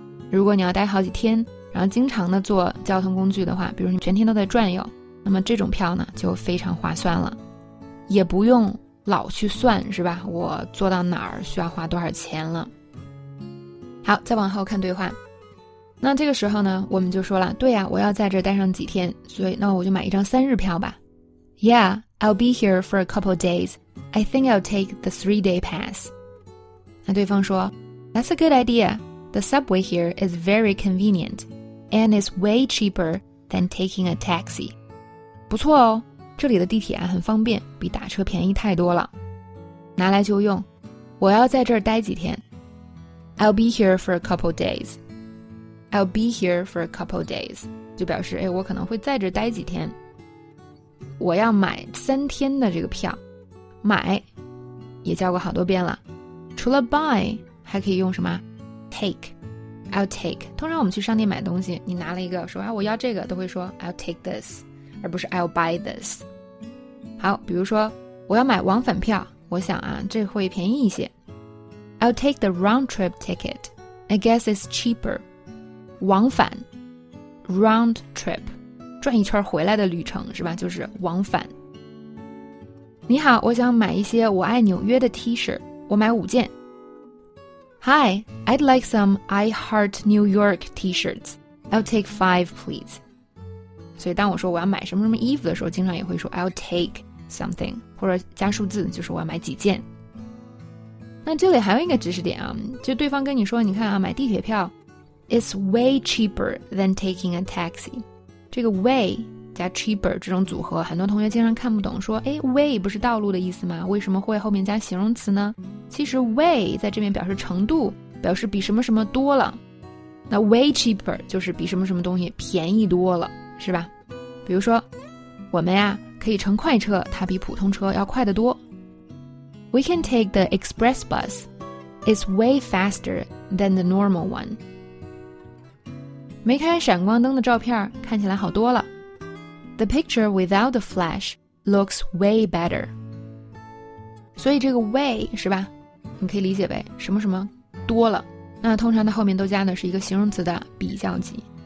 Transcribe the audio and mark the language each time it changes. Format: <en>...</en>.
<zh>如果你要待好几天，然后经常的坐交通工具的话，比如你全天都在转悠，那么这种票呢就非常划算了，也不用老去算，是吧？我坐到哪儿需要花多少钱了。好，再往后看对话。那这个时候呢我们就说了，对呀，我要在这待上几天，所以那我就买一张三日票吧。</zh> <en>Yeah, I'll be here for a couple days. I think I'll take the three-day pass.</en> <zh>那对方说</zh> <en>That's a good idea. The subway here is very convenient and is way cheaper than taking a taxi.</en> <zh>不错哦，这里的地铁啊很方便，比打车便宜太多了，拿来就用。我要在这儿待几天，</zh> <en>I'll be here for a couple days，</en> <zh>I'll be here for a couple days， 就表示我可能会在这儿待几天。我要买三天的这个票，买也教过好多遍了，除了 buy 还可以用什么 take，</zh> <en>I'll take。</en> <zh>通常我们去商店买东西，你拿了一个说我要这个，都会说</zh> <en>I'll take this，</en> <zh>而不是</zh> <en>I'll buy this。</en> <zh>好，比如说我要买往返票，我想啊这会便宜一些，</zh> <en>I'll take the round trip ticket, I guess it's cheaper。</en> <zh>往返 round trip， 转一圈回来的旅程，是吧？就是往返。你好，我想买一些我爱纽约的 T-shirt， 我买五件。</zh> <en>Hi, I'd like some I heart New York T-shirts, I'll take 5 please。</en> <zh>所以当我说我要买什么什么衣服的时候，经常也会说</zh> <en>I'll take something，</en> <zh>或者加数字，就是我要买几件。那这里还有一个知识点啊，就对方跟你说你看啊，买地铁票</zh> <en>It's way cheaper than taking a taxi，</en> <zh>这个 way 加 cheaper 这种组合很多同学经常看不懂，说way 不是道路的意思吗？为什么会后面加形容词呢？其实 way 在这边表示程度，表示比什么什么多了，那 way cheaper 就是比什么什么东西便宜多了，是吧？比如说我们呀可以乘快车，它比普通车要快得多。</zh> <en>We can take the express bus, it's way faster than the normal one。</en> <zh>没开闪光灯的照片看起来好多了，</zh> <en>The picture without the flash looks way better。</en> <zh>所以这个 way 是吧，你可以理解为什么什么多了，那通常它后面都加的是一个形容词的比较级。</zh>